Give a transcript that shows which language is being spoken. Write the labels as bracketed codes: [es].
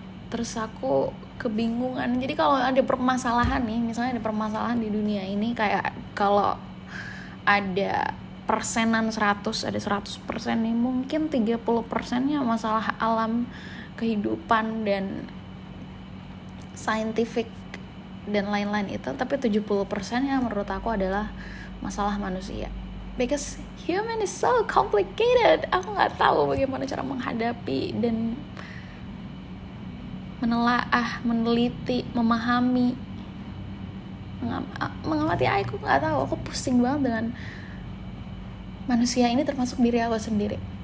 [id] Terus aku kebingungan. Jadi kalau ada permasalahan nih, misalnya ada permasalahan di dunia ini, kayak kalau ada persenan 100, ada 100% nih, mungkin 30%-nya masalah alam, kehidupan dan scientific dan lain-lain itu, tapi 70%-nya menurut aku adalah masalah manusia. [en] Because human is so complicated. [id] Aku enggak tahu bagaimana cara menghadapi dan menelaah, meneliti, memahami. Mengamati, aku enggak tahu. Aku pusing banget dengan manusia ini, termasuk diri aku sendiri.